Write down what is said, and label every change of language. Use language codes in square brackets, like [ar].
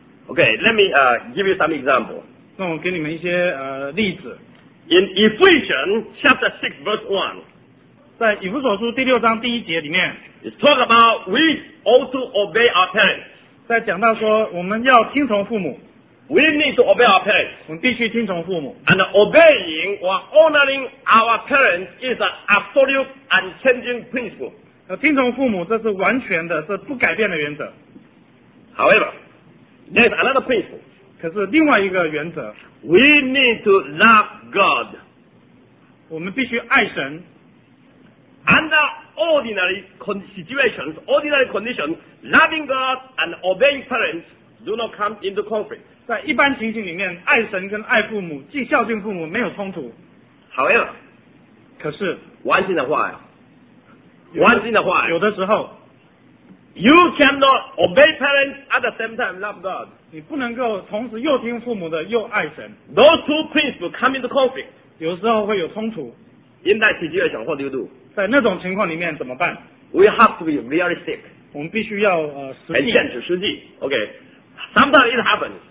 [en] Okay, let me give you some example. [zh] 那我给你们一些例子。 [en] In Ephesians chapter 6 verse 1, [zh] 在以弗所书第六章第一节里面 [en] ，It talk about we ought to obey our parents. [zh] 在讲到说我们要听从父母。 [en] We need to obey our parents. [zh] 我们必须听从父母。 [en] And obeying or honoring our parents is an absolute and unchanging principle. [zh] 听从父母这是完全的，是不改变的原则。 [en] However, there's another principle. [zh] 可是另外一个原则 [en] ，We need to love God. [zh] 我们必须爱神。 [en] Under ordinary situations, ordinary conditions, loving God and obeying parents do not come into conflict. [zh] 在一般情形里面，爱神跟爱父母，既孝敬父母，没有冲突。 [en] However, [zh] 可是 [en] ，Once in a while, once in a while, [zh] 有的时候。 [en] You cannot obey parents at the same time love God. [zh] 你不能够同时又听父母的又爱神。 [en] Those two principles come into conflict. [zh] 有时候会有冲突。 [en] In that situation, what do you do? [zh] 在那种情况里面怎么办？ [en] We have to be very sick. [zh] 我们必须要实践。很现实实际 [en] ，OK。Sometimes it happens。